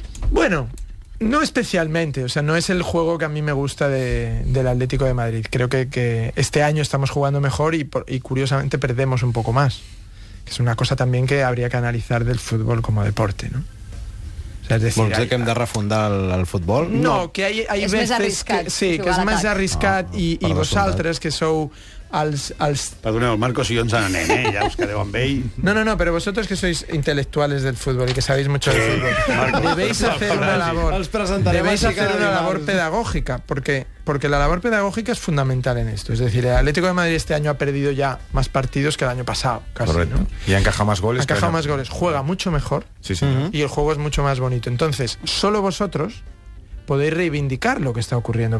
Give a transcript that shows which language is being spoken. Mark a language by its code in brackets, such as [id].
[es] Bueno, no especialmente. O sea, no es el juego que a mí me gusta del Atlético de Madrid. Creo que este año estamos jugando mejor y curiosamente perdemos un poco más. Es una cosa también que habría que analizar del fútbol como deporte, ¿no? Es decir, [ca] ¿vols dir que hem de refundar el futbol? No, que hi ha [es] veces... [ca] És més arriscat. Sí, que és més arriscat i vosaltres, que sou els... Perdoneu, el Marcos i jo ens n'anem, ja us quedeu amb ell. No, però vosaltres que sois intel·lectuals del futbol i que sabeu molt del futbol, [es] debéis hacer una labor... [ca] Els presentarem així cada dia. [es] Debéis hacer una labor pedagògica, porque la labor pedagógica es fundamental en esto. Es decir, el Atlético de Madrid este año ha perdido ya más partidos que el año pasado, casi. Correcto. ¿No? Y ha encajado más goles. Ha encajado más goles. Juega mucho mejor. Sí, sí. Uh-huh. Y el juego es mucho más bonito. Entonces, solo vosotros podéis reivindicar lo que está ocurriendo.